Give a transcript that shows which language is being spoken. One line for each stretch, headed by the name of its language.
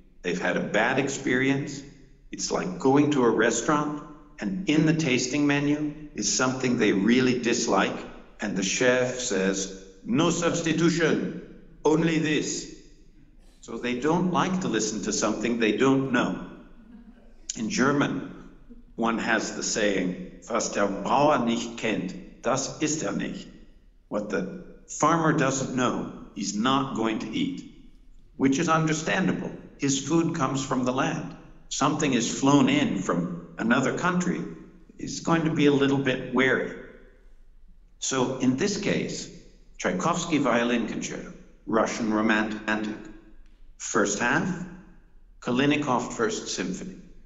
English: They've had a bad experience. It's like going to a restaurant and in the tasting menu is something they really dislike, and the chef says, no substitution, only this. So they don't like to listen to something they don't know. In German, one has the saying,
German: was der Bauer nicht kennt, das ist nicht.
English: What the farmer doesn't know, he's not going to eat, which is understandable. His food comes from the land. Something is flown in from another country, he's going to be a little bit wary. So in this case, Tchaikovsky Violin Concerto, Russian Romantic, first half, Kalinnikov First Symphony,